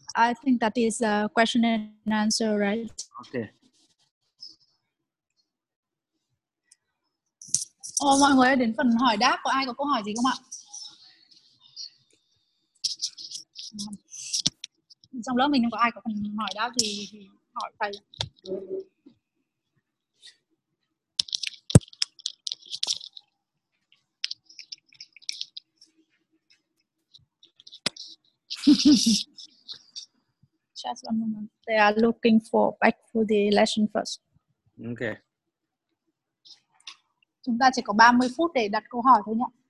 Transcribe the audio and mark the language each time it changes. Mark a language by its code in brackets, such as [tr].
[en] I think that is a question and answer, right? Okay. [vi] Ồ, mọi người đến phần hỏi đáp, có ai có câu hỏi gì không ạ? Trong lớp mình không có ai có phần hỏi đáp thì hỏi thầy. [en] Just one moment. They are looking for back for the lesson first. Okay. [vi] Chúng ta chỉ có 30 phút để đặt câu hỏi thôi nhé.